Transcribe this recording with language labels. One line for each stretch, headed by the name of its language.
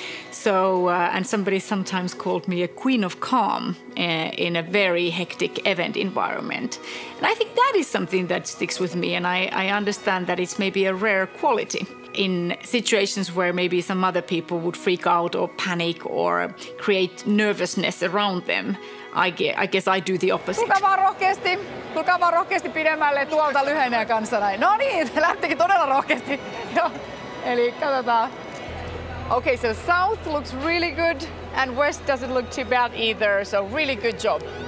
English: So, and somebody sometimes called me a queen of calm in a very hectic event environment. And I think that is something that sticks with me, and I understand that it's maybe a rare quality in situations where maybe some other people would freak out or panic or create nervousness around them. I guess I do the opposite.
Finnish: Tulkaa vaan rohkeasti pidemmälle tuolta lyhenee kanssa näin. No niin, lähtikin todella rohkeasti. Eli katsotaan.
English: Okay, so south looks really good and west doesn't look too bad either, so really good job.